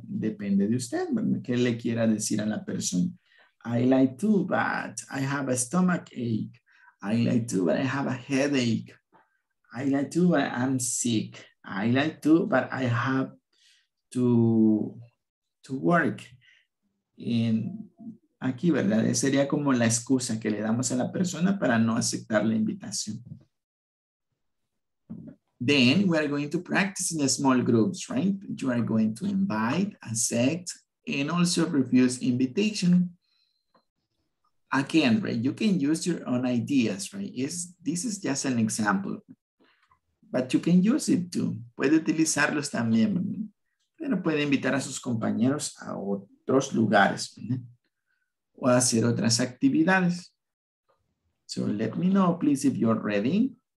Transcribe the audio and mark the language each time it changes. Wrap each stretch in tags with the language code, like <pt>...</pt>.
<es>Depende de usted, ¿qué le quiera decir a la persona?</es> <en>I like to, but I have a stomach ache. I like to, but I have a headache. I like to, but I'm sick. I like to, but I have to work.</en> <es>And aquí, ¿verdad? Sería como la excusa que le damos a la persona para no aceptar la invitación.</es> <en>Then we are going to practice in small groups, right? You are going to invite, accept, and also refuse invitation. Again, right? You can use your own ideas, right? This is just an example, but you can use it too.</en> <es>Puede utilizarlos también, pero puede invitar a sus compañeros a otros lugares, ¿verdad? O hacer otras actividades.</es> <en>So let me know, please, if you're ready.</en>